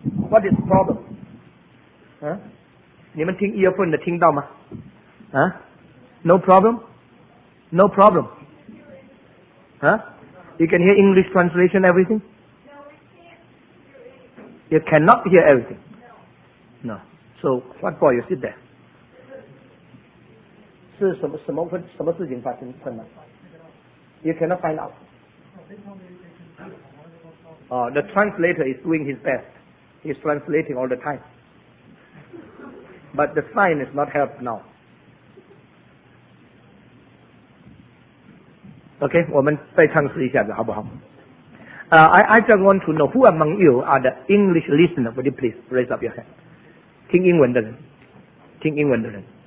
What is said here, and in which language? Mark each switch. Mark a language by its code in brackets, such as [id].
[en] What is the problem?、 [zh] 你们听 earphone 的听到吗、 [en] No problem? No problem?、You can hear English translation everything? No, we can't hear anything. You cannot hear everything? No. No. So, what for? You sit there. [zh] 是什么事情发生什么 [en] You cannot find out. The translator is doing his best. He's translating all the time. But the sign is not helped now. Okay, [zh] 我们再尝试一下子好不好、 [en] I just want to know who among you are the English listener. Would you please raise up your hand? [zh] 听英文的人，听英文的人。